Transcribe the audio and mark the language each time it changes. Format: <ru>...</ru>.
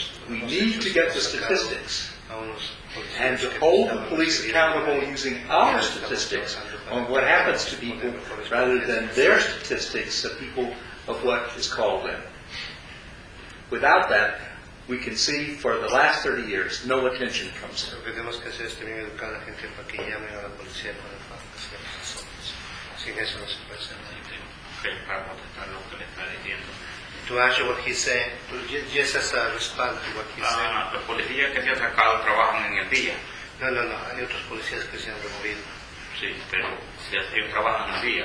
<en>We need to get the statistics and to hold the police accountable using our statistics on what happens to people rather than their statistics of people of what is called them. Without that, we can see for the last 30 years, no attention comes in.</en> <es>Lo que tenemos que hacer es también educar a la gente para que llame a la policía para hacer las cosas. Sin eso no se puede hacer. Para contestar lo que le está diciendo.</es> <en>To answer what he's saying, just as a response to what he's saying.</en> <es>Los policías que se han sacado trabajan en el día. No, hay otros policías que se han removido. Sí, pero si ellos trabajan en el día.</es>